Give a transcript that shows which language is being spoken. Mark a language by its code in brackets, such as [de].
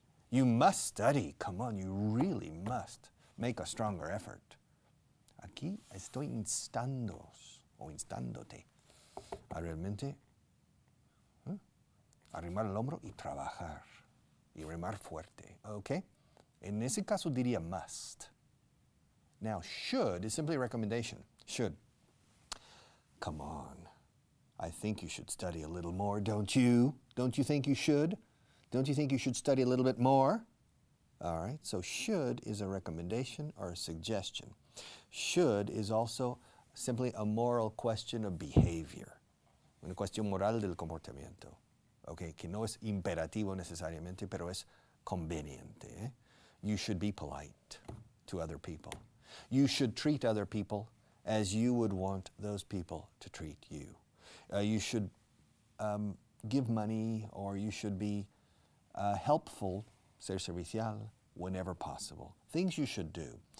[en] You must study, come on, you really must make a stronger effort. [es] Aquí estoy instándoos, o instándote, a realmente arrimar el hombro y trabajar, y remar fuerte, okay? En ese caso diría [en] must. Now, should is simply a recommendation, should. Come on. I think you should study a little more, don't you? Don't you think you should? Don't you think you should study a little bit more? All right, so should is a recommendation or a suggestion. Should is also simply a moral question of behavior. [es] Una cuestión moral del comportamiento. Okay, que no es imperativo necesariamente, pero es conveniente. [en] Eh? You should be polite to other people. You should treat other people as you would want those people to treat you. You should give money, or you should be helpful, [es] ser servicial, [en] whenever possible. Things you should do.